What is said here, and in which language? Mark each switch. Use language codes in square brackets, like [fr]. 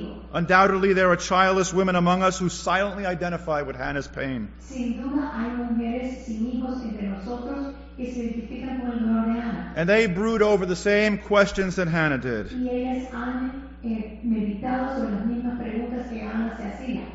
[en] Undoubtedly, there are childless women among us who silently identify with Hannah's pain. [es] Sin duda, hay mujeres sin hijos entre nosotros que se identifican con el dolor de Ana. [en] And they brood over the same questions that Hannah did. [es] Y ellas han meditado sobre las mismas preguntas que Ana se hacía.